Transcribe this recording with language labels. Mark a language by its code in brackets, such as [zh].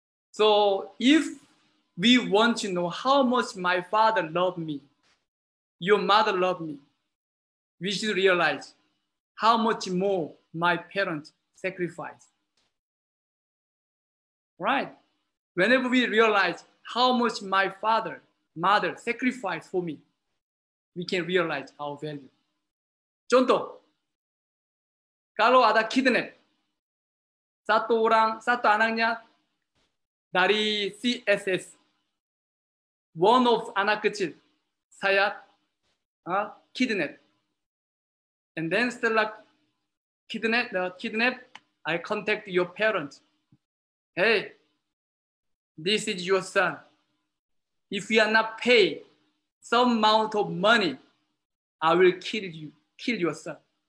[en] So, if we want to know how much my father loved me, your mother loved me, we should realize how much more my parents sacrificed. Right? Whenever we realize how much my father, mother sacrificed for me, we can realize our value. [id] contoh, kalau ada kidnap, satu orang, satu anaknya dari CSS, [en] one of [id] anak kecil, saya kidnap. [en] And then still kidnap, I contact your parents. Hey, this is your son. If you are not paid some amount of money, I will kill you, kill your son.